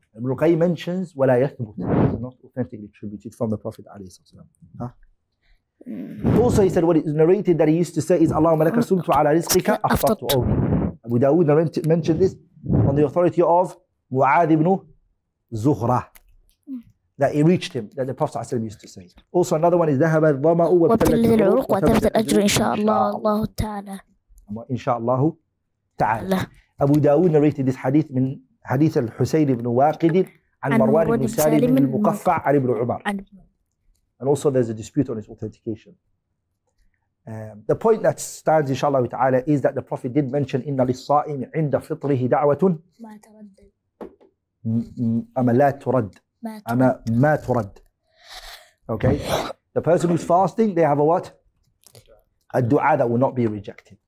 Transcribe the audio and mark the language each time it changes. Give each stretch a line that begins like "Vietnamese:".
English: Ibn Al-Qayyim mentions وَلَا يَثْبُتُ not authentically attributed from the Prophet عليه الصلاة والسلام. Also he said what is narrated that he used to say is
Arabic: اللهم لك سمت على رزقك أفطرت.
English: Abu Dawood mentioned this on the authority of Mu'adh ibn Zuhra that he reached him that the Prophet عليه الصلاة والسلام used to say. Also another one is
Arabic: ذهب الظمأ وابتلت العروق وتبت الأجر إن شاء الله الله تعالى إن شاء الله تعالى.
English: Abu Dawood narrated this hadith
Arabic: من حديث الحسين بن واقد عن مروان بن سالم المقفع عن ابن عمر.
English: And also there's a dispute on his authentication. The point that stands inshallah ta'ala is that the Prophet did mention
Arabic: إِنَّ لِلصَّائِمِ عِنْدَ فِطْرِهِ دَعْوَةٌ مَا تَرَدْ أَمَا لَا تُرَدْ أَمَا مَا تُرَدْ.
English: Okay, the person who's fasting, they have a what? A dua that will not be rejected.